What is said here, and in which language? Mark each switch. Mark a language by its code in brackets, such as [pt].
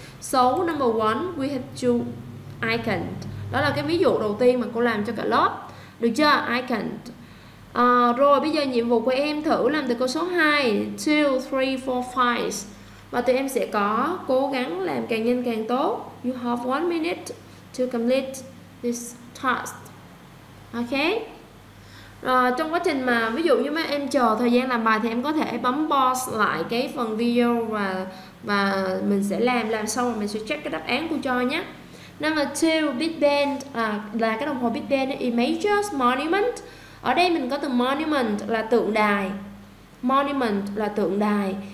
[en] So number one, we have two icon. [vi] Đó là cái ví dụ đầu tiên mà cô làm cho cả lớp. Được chưa? Icon. Rồi bây giờ nhiệm vụ của em thử làm từ câu số 2, 2, 3, 4, 5. Và tụi em sẽ có cố gắng làm càng nhanh càng tốt. [en] You have 1 minute to complete this task. Okay? [vi] Trong quá trình mà ví dụ như mấy em chờ thời gian làm bài thì em có thể bấm pause lại cái phần video và mình sẽ làm xong rồi mình sẽ check cái đáp án của cho nhé. Number 2, Big Ben là cái đồng hồ Big Ben, [en] it measures monument. [vi] Ở đây mình có từ monument là tượng đài. Monument là tượng đài.